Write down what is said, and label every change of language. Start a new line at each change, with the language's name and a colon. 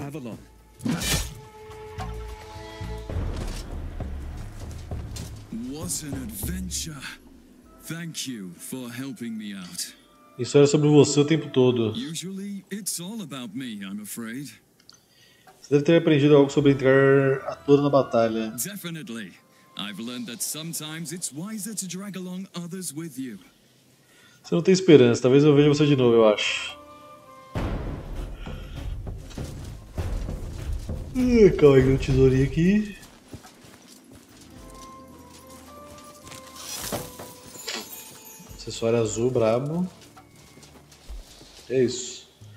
English: What an adventure. Thank you for helping me out.
Portuguese: Isso era sobre você o tempo todo.
English: Usually it's all about me, I'm afraid.
Portuguese: Você deve ter aprendido algo sobre entrar à toa na batalha.
English: Definitely. I've learned that sometimes it's wiser to drag along others with you.
Portuguese: Você não tem esperança. Talvez eu veja você de novo, eu acho. Calma aí, tem uma tesourinha aqui. Acessório azul, brabo. É isso.